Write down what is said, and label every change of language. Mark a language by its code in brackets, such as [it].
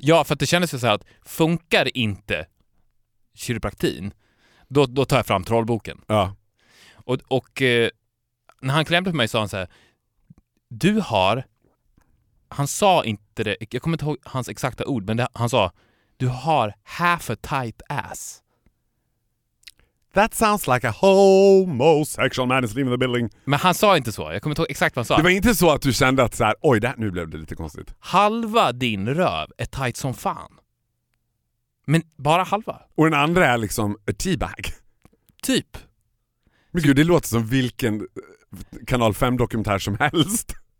[sv] Ja, för att det kändes ju så här att funkar inte kiropraktin, då tar jag fram trollboken. Ja. Och när han klämde på mig sa han så här, du har, han sa inte det, jag kommer inte ihåg hans exakta ord, men det, han sa, du har [en] half a tight ass. That sounds like a homosexual man is leaving the building. [sv] Men han sa inte så. Jag kommer inte ihåg exakt vad han sa. Det var inte så att du kände att så här, oj, det här, nu blev det lite konstigt. Halva din röv är tight som fan. Men bara halva. Och den andra är liksom [en] a teabag. [sv] Typ. Men gud, det låter som vilken Kanal 5-dokumentär som helst.